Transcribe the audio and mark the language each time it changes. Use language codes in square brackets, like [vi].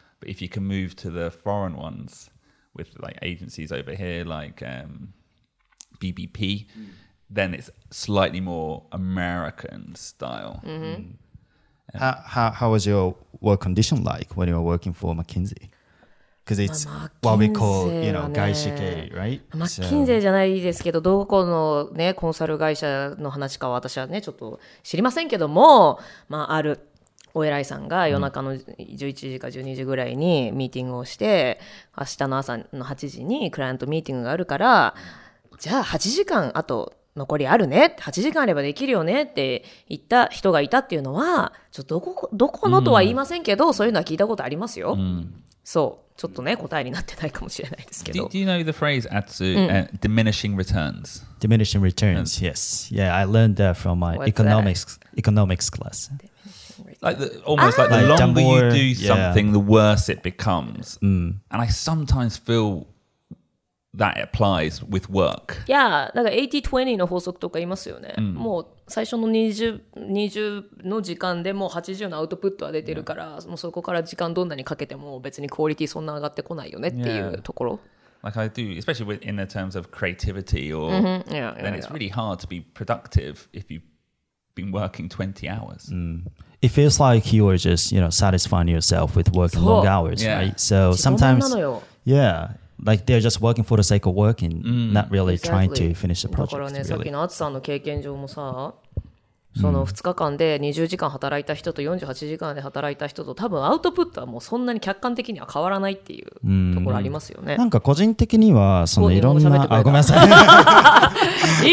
[en] But if you can move to the foreign ones with like agencies over here, like BBP, then it's slightly more American style. How was your work condition like when you were working for McKinsey? Because it's what we call, you know, 外資系, right? [ja] McKinsey じゃないですけど、どこのね、コンサル会社の話かは私はね、ちょっと知りませんけども、まあ、あるお偉いさんが夜中の11時か12時ぐらいにミーティングをして、明日の朝の8時にクライアントミーティングがあるから、じゃあ8時間あと、残りあるね、8時間あればできるよねって言った人がいたっていうのは、ちょっとどこのとは言いませんけど、そういうのは聞いたことありますよ。そう、ちょっとね、答えになってないかもしれないですけど。 [en] Do you know the phrase, Atsu? Diminishing returns. Diminishing returns, yes. Yeah, I learned that from my economics class. Like the, almost like the longer the more, you do something, the worse it becomes. And I sometimes feel... That applies with work. [ja] Yeah, なんか 80-20 の法則とか言いますよね。もう最初の20の時間でもう80のアウトプットは出てるから、もうそこから時間どんなにかけても別にクオリティそんな上がってこないよねっていうところ。 [en] Like I do, especially in the terms of creativity or then it's really hard to be productive if you've been working 20 hours. It feels like you're just, you know, satisfying yourself with working long hours, right? So sometimes, Like they're just working for the sake of working, not really trying to finish the project. [ja] だからね、さっきのアツさんの経験上もさ、その2日間で20時間働いた人と48時間で働いた人と、多分アウトプットはもうそんなに客観的には変わらないっていうところありますよね。なんか個人的にはそのいろんな、あ、ごめんなさい。